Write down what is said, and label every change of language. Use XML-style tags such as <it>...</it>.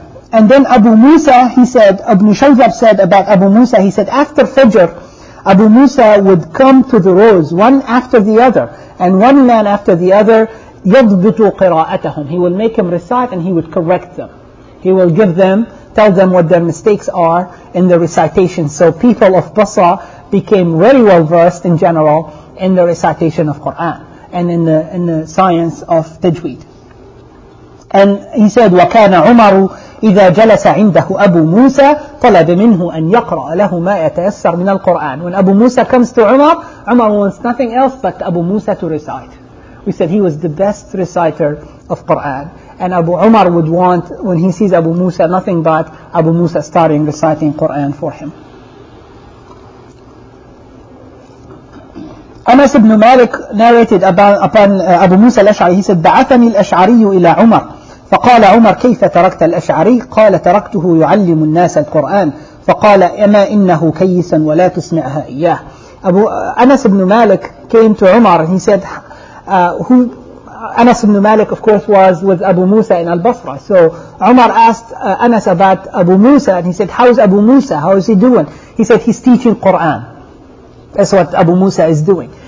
<en>And then Abu Musa, he said, Ibn Shawzab said about Abu Musa, he said, after Fajr, Abu Musa would come to the rows, one after the other, and one man after the other,</en> <ar>يَضْبِطُ قِرَاءَتَهُمْ.</ar> <en>He will make them recite and he would correct them. He will give them, tell them what their mistakes are in the recitation. So people of Basra became very well versed in general in the recitation of Qur'an and in the science of Tajweed. And he said,</en> <ar>وَكَانَ عُمَرُ إِذَا جَلَسَ عِنْدَهُ أَبُو مُوسَى طَلَبَ مِنْهُ أَنْ يَقْرَأَ لَهُ مَا يَتَيَسَّرْ مِنَ الْقُرْآنِ.</ar> <en>When Abu Musa comes to Umar, Umar wants nothing else but Abu Musa to recite. We said he was the best reciter of Qur'an. And Abu Umar would want, when he sees Abu Musa, nothing but Abu Musa starting reciting Qur'an for him. Anas ibn Malik narrated upon Abu Musa al-Ash'ari, he said,</en> <ar>بَعَثَنِي الْأَشْعَرِيُّ إِلَى عُمَرْ. فقال عمر كيف تركت الأشعري؟ قال تركته يعلم الناس القرآن. فقال أما إنه كيسا ولا تسمعها إياه. أبو أنس بن مالك</ar> <en>came to</en> <ar>عمر.</ar> <en>He said, Anas ibn Malik of course was with Abu Musa in Al-Basra. So عمر asked Anas about Abu Musa, and he said, how is Abu Musa? How is he doing? He said, he's teaching Quran. That's what Abu Musa is doing.</en>